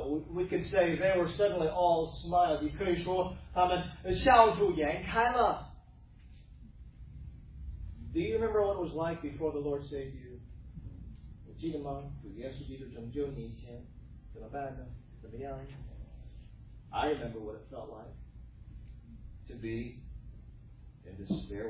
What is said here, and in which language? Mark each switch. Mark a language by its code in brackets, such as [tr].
[en] We could say they were suddenly all smiles. [zh] 你可以说他们笑逐颜开了。 [en] Do you remember what it was like before the Lord saved you? [zh] 你记得吗？主耶稣基督拯救你以前怎么办呢？怎么样？ [en] I remember what it felt like to be in despair.